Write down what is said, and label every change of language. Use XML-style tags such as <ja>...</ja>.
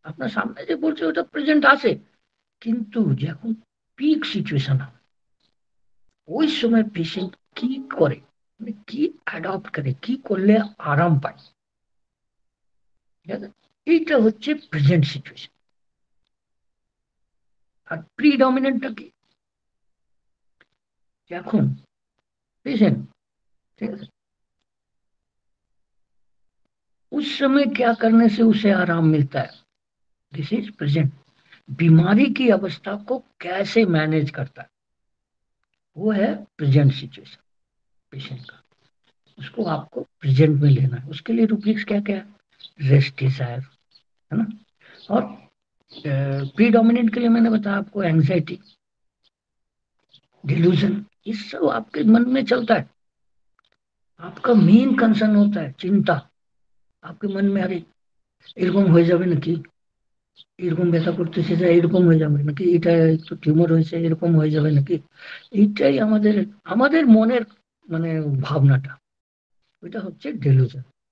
<bn>আপনার সামনে যে বলছে ওটা প্রেজেন্ট আছে, কিন্তু যখন পিক সিচুয়েশন হয় ওই সময় পেশেন্ট কি করে, মানে কি অ্যাডাপ্ট করে, কি করলে আরাম পায়, ঠিক আছে, এইটা হচ্ছে প্রেজেন্ট সিচুয়েশন। আর প্রিডমিনেন্টটা কি, যখন পেশেন্ট ঠিক আছে</bn> <hi>उस समय क्या करने से उसे आराम मिलता है,</hi> <en>This is present.</en> <hi>बीमारी की अवस्था को कैसे मैनेज करता है वो है प्रेजेंट सिचुएशन पेशेंट का, उसको आपको प्रेजेंट में लेना है। उसके लिए रूब्रिक्स क्या क्या है, रेस्ट डिजायर है ना, और प्रीडोमिनेंट के लिए मैंने बताया आपको एंग्जाइटी, डिल्यूजन, इस सब आपके मन में चलता है। आपका मेन कंसर्न होता है चिंता,</hi> <bn>আপনি মন মে আরে এরকম হয়ে যাবে নাকি, এরকম ব্যথা করতেছে যে এরকম হয়ে যাবে নাকি, এটা একটু টিউমার হয়েছে এরকম হয়ে যাবে নাকি, এইটাই আমাদের আমাদের মনের মানে ভাবনাটা, ওইটা হচ্ছে ডেলুশন।</bn>